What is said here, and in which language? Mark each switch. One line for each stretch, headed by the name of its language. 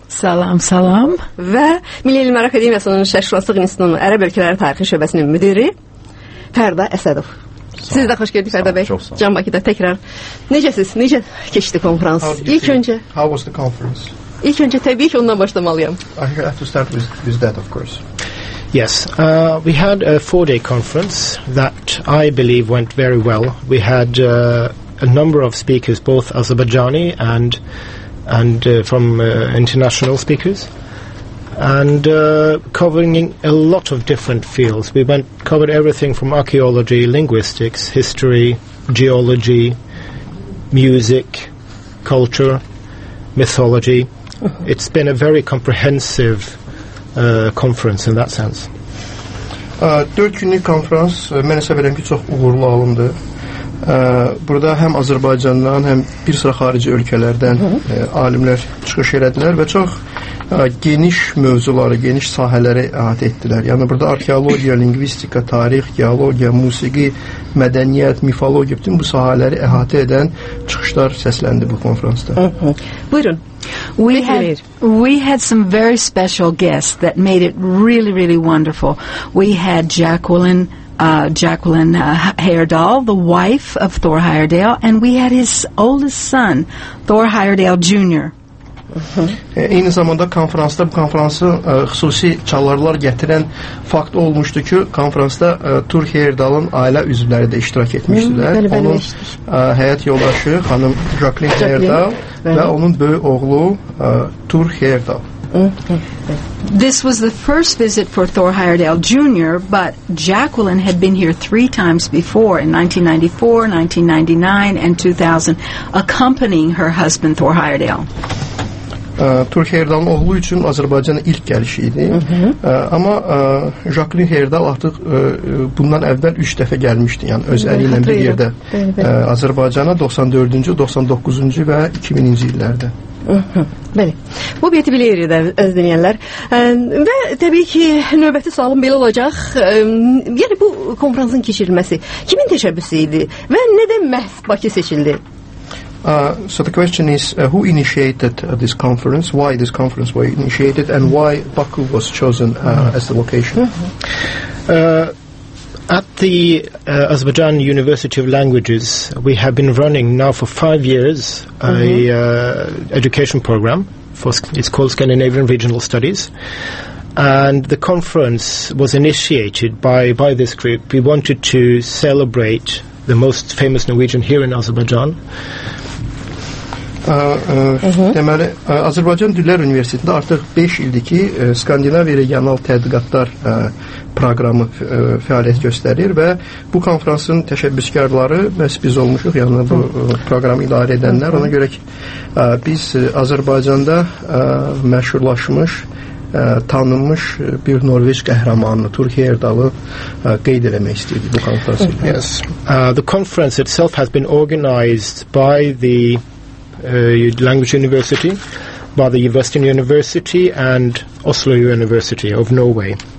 Azerbaijani: Salam, salam. Və Milli Elm Akademiyasının Şərqşünaslıq İnstitutunun Ərəb Ölkələri Tarixi Şöbəsinin müdiri Fərda Əsədov. Siz də xoş gəldiniz Fərda bəy. Can Bakıda təkrar. Necəsiz? Necə keçdi konfrans? İlk öncə
English: How was the conference?
Azerbaijani: İlk öncə təbii ki, ondan başlamalıyam.
English: I have to start with that, of course. Yes, we had a 4-day conference that I believe went very well. We had a number of speakers, both Azerbaijani and from international speakers. And covering a lot of different fields. We went covered everything from archaeology, linguistics, history, geology, music, culture, mythology. Uh-huh. It's been a very comprehensive conference in that sense.
Azerbaijani: 4 günlük konferans mənə səbəbən ki çox uğurlu alındı. Burada həm Azərbaycandan, həm bir sıra xarici ölkələrdən alimlər çıxış elədilər və çox geniş mövzuları, geniş sahələri əhatə etdilər. Yəni burada arxeologiya, lingvistika, tarix, geologiya, musiqi, mədəniyyət, mifologiya, bütün bu sahələri əhatə edən çıxışlar səsləndi bu konfransda. Buyurun.
English: We had some very special guests that made it really, really wonderful. We had Jacqueline Heyerdahl, the wife of Thor Heyerdahl, and we had his oldest son, Thor Heyerdahl Jr.
Azerbaijani: Eyni zamanda konferansda bu konferansı xüsusi çalarlar gətirən fakt olmuşdu ki, konferansda Thor Heyerdahl'ın ailə üzvləri də iştirak etmişdilər. Onun həyat yoldaşı xanım Jacqueline Heyerdahl və onun böyük oğlu Thor Heyerdahl. This was the first visit for Thor Heyerdahl Jr., but Jacqueline had been here three times before in 1994, 1999, and 2000, accompanying her husband Thor Heyerdahl. Thor Heyerdahl'ın oğlu üçün Azərbaycana ilk gəlişiydi. Amma Jacqueline Heyerdahl artıq bundan əvvəl 3 dəfə gəlmişdi. Yəni öz əli ilə bir yerdə Azərbaycana 94-cü, 99-cu və 2000-ci illərdə. Bəli, bu biyyəti biləyirik də, əziz dinləyənlər. Və təbii ki, növbəti sualım belə olacaq. Yəni, bu konferansın keçirilməsi kimin təşəbbüsü idi və nədən məhz Bakı seçildi?
English: So the question is, who initiated this conference, why this conference was initiated, and why Baku was chosen as the location? At the Azerbaijan University of Languages, we have been running now for 5 years education program. It's called Scandinavian Regional Studies. And the conference was initiated by this group. We wanted to celebrate the most famous Norwegian here in Azerbaijan.
Azerbaijani: Deməli, Azərbaycan Dillər Universitetində artıq 5 ildir ki, Skandinaviya regional tədqiqatlar proqramı fəaliyyət göstərir və bu konfransın təşəbbüskarları məhz biz olmuşuq, yəni bu proqramı idarə edənlər. Ona görə ki, biz Azərbaycanda məşhurlaşmış, tanınmış bir Norveç qəhrəmanını, Thor Heyerdahl'ı qeyd eləmək istəyirdi bu konfransı.
English: Yes. The conference itself has been organized by the language university, by the Western University and Oslo University of Norway.